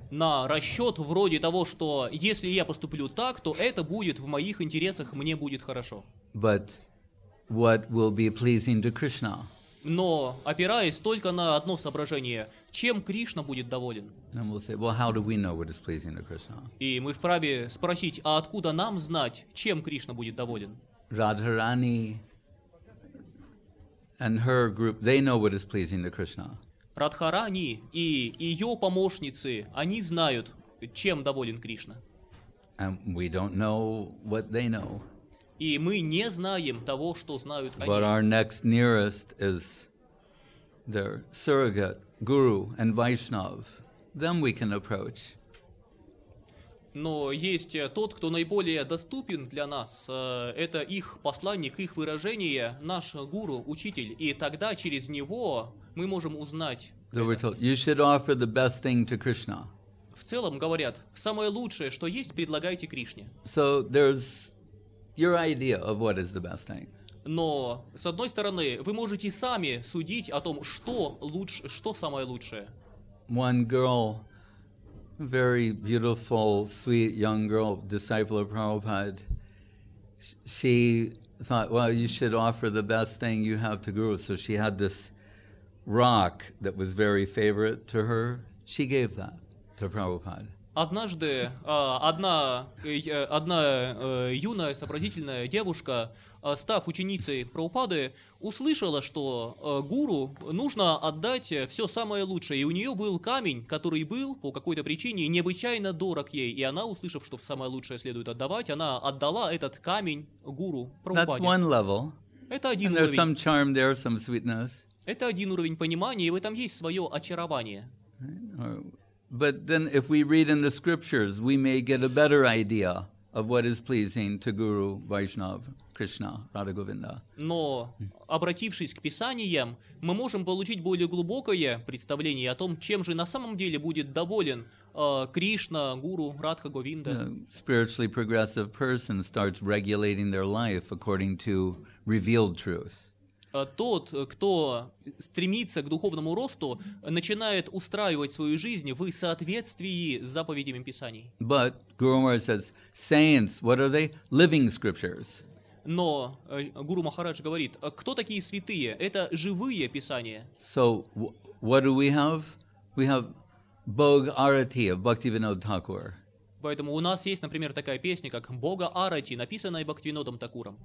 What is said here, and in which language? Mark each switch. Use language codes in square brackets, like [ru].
[ru] На расчет вроде того, что если я поступлю так, то это будет в моих интересах, мне будет хорошо. [en] But what will be pleasing to Krishna? [ru] Но опираясь только на одно соображение, чем Кришна будет доволен? [en] And we'll say, well, how do we know what is pleasing to Krishna? [ru] И мы вправе спросить, а откуда нам знать, чем Кришна будет доволен? [en] Radharani and her group, they know what is pleasing to Krishna. [ru] Радхарани и ее помощницы, они знают, чем доволен Кришна. [en] And we don't know what they know. [ru] И мы не знаем того, что знают они. [en] But our next nearest is their surrogate, Guru and Vaishnav. Them we can approach. [ru] Но есть тот, кто наиболее доступен для нас, это их посланник, их выражение, наш гуру, учитель. И тогда через него мы можем узнать. [en] So we're told, you should offer the best thing to Krishna. [ru] В целом говорят, самое лучшее, что есть, предлагайте Кришне. [en] So there's your idea of what is the best thing. [ru] Но, с одной стороны, вы можете сами судить о том, что самое лучшее. [en] one girl, very beautiful, sweet young girl, disciple of Prabhupada, she thought, well, you should offer the best thing you have to Guru. So she had this rock that was very favorite to her. She gave that to Prabhupada. [ru] Однажды одна юная сообразительная девушка, став ученицей Прабхупады, услышала, что гуру нужно отдать все самое лучшее. И у нее был камень, который был по какой-то причине необычайно дорог ей. И она, услышав, что самое лучшее следует отдавать, она отдала этот камень гуру Прабхупаде. [en] That's one level. [ru] Это один уровень. [en] And there's some charm there, some sweetness. [ru] Это один уровень понимания, и в этом есть свое очарование. [en] But then if we read in the scriptures, we may get a better idea of what is pleasing to Guru Vaishnav, Krishna, Radha Govinda. [ru] Но, обратившись к писаниям, мы можем получить более глубокое представление о том, чем же на самом деле будет доволен Кришна, Гуру, Радха Говинда. [en] A spiritually progressive person starts regulating their life according to revealed truth. [ru] Тот, кто стремится к духовному росту, начинает устраивать свою жизнь в соответствии с заповедями Писаний. [en] But Guru Maharaj says, saints, what are they? Living scriptures. [ru] Но Гуру Махарадж говорит, кто такие святые? Это живые Писания. [en] So what do we have? We have Bhog Arati of Bhaktivinoda Thakur. [ru] Поэтому у нас есть, например, такая песня, как «Бога Арати», написанная Бхактивинодом Такуром.